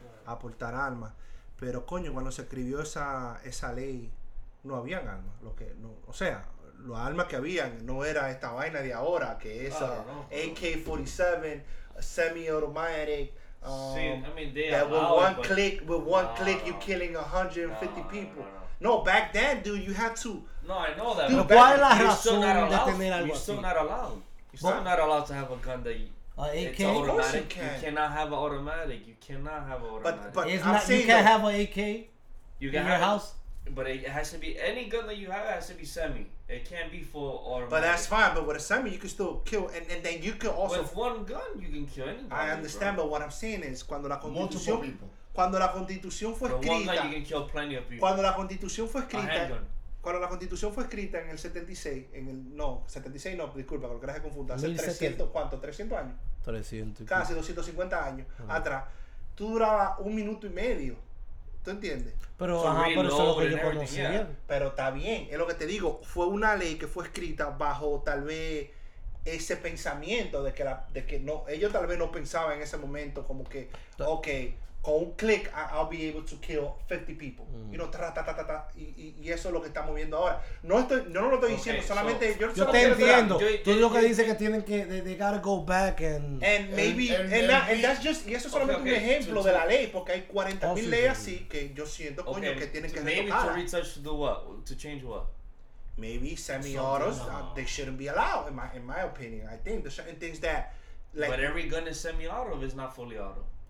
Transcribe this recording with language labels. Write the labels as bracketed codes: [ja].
[es] a portar armas, pero coño, cuando se escribió esa ley no habían armas, lo que no, o sea, los armas que habían no era esta vaina de ahora, que es AK-47, semi-automatic. [en] With one click, you're killing 150 people. No, back then, dude, you had to. No, I know that. [es] Dude, ¿cuál es la razón de tener algo así? [en] You're still not allowed to have a gun that AK? It's automatic. You cannot have an automatic. You can't have an AK in your house? But it has to be, any gun that you have, it has to be semi. It can't be full automatic. But that's fine, but with a semi, you can still kill, and then you can also... With one gun, you can kill anybody. I understand, but what I'm saying is, [es] cuando la constitución... Cuando la constitución fue escrita... [en] With one gun, you can kill plenty of people. [es] Cuando la constitución fue escrita... Cuando la constitución fue escrita en el 76, disculpa, porque la dejé confundir. Hace 300, ¿cuánto? 300 años. 300. Casi 250 años atrás. Tú durabas un minuto y medio. ¿Tú entiendes? Pero, pero eso es lo que yo conocía. [en] Yeah. [es] Pero está bien, es lo que te digo. Fue una ley que fue escrita bajo tal vez ese pensamiento de que no, ellos tal vez no pensaban en ese momento como que, ok, con un click [en] I'll be able to kill 50 people. [es] Mm. [en] You know, [es] y eso es lo que estamos viendo ahora. Yo no lo estoy diciendo, solamente yo te entiendo. Tú lo que dices que tienen que, [en] they gotta go back and... [es] Y eso es solamente un ejemplo de la ley, porque hay 40,000 leyes así que yo siento, coño, que tienen que retocar. [en] Maybe to retouch to do what? To change what? Maybe semi-autos, they shouldn't be allowed, in my opinion. I think there's certain things that... But every gun is semi-auto if it's not fully auto.